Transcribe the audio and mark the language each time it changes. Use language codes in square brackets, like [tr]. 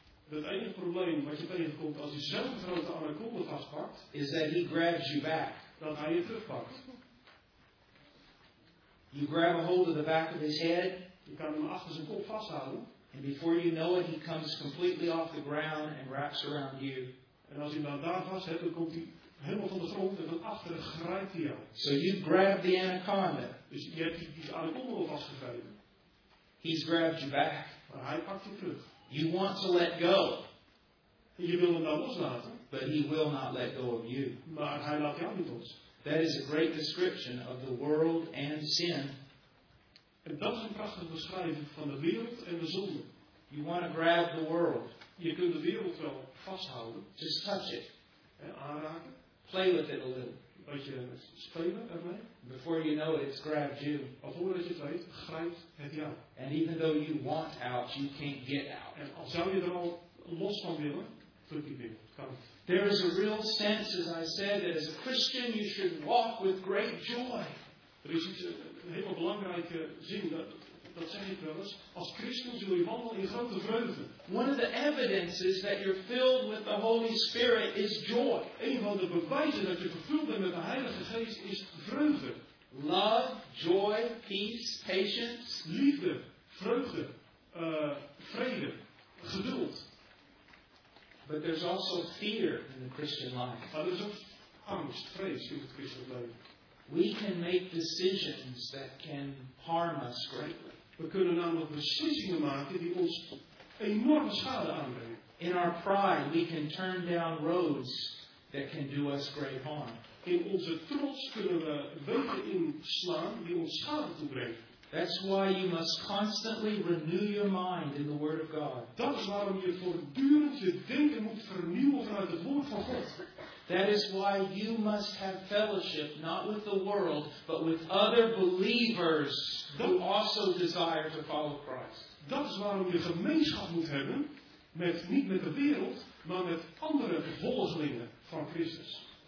[nl] het enige probleem wat je tegenkomt als je zo'n grote anaconda vastpakt, [en] is that he grabs you back. [nl] Dat hij je terugpakt. [en] You grab a hold of the back of his head. [nl] Je kan hem achter zijn kop vasthouden. [en] And before you know it, he comes completely off the ground and wraps around you. [nl] En als je hem dan daar vast hebt, dan komt hij helemaal van de grond en van achteren grijpt hij jou. [en] So you grab the anaconda. [nl] Dus je hebt die anaconda vastgegrepen. [en] He's grabbed you back. [nl] Maar hij pakt je terug. [en] You want to let go. [nl] Je wil hem dan loslaten. [en] But he will not let go of you. [nl] Maar hij laat jou niet los. [en] That is a great description of the world and sin. [nl] En dat is een prachtige beschrijving van de wereld en de zonde. [en] You want to grab the world. [nl] Je kunt de wereld wel vasthouden. [en] Just touch it. [nl] En aanraken. [en] Play with it a little. [nl] Dat je spelen ermee. [en] Before you know it, it's grabbed you. [nl] Al voordat je het weet, grijpt het jou. [en] And even though you want out, you can't get out. [nl] En al zou je er al los van willen, druk je binnen. Kan het. [en] There is a real sense, as I said, that as a Christian you should walk with great joy. [nl] Er is iets, een helemaal belangrijke zin, dat zeg ik wel eens. Als Christen zul je wandelen in grote vreugde. [en] One of the evidences that you're filled with the Holy Spirit is joy. [nl] Een van de bewijzen dat je vervuld bent met de Heilige Geest is vreugde. [en] Love, joy, peace, patience. [nl] Liefde, vreugde, vrede, geduld. [en] But there's also fear in the Christian life. [nl] Maar er is ook angst, vrees in het christelijk leven. [en] We can make decisions that can harm us greatly. [nl] We kunnen namelijk beslissingen maken die ons enorme schade aanbrengen. [en] In our pride, we can turn down roads that can do us great harm. [nl] In onze trots kunnen we wegen inslaan die ons schade toebrengen. [en] That's why you must constantly renew your mind in the Word of God. [nl] Dat is waarom je voortdurend je denken moet vernieuwen vanuit het Woord van God. [en] That is why you must have fellowship, not with the world, but with other believers who also desire to follow Christ. [nl] Dat is waarom je gemeenschap moet hebben, niet met de wereld, maar met andere volgelingen van Christus.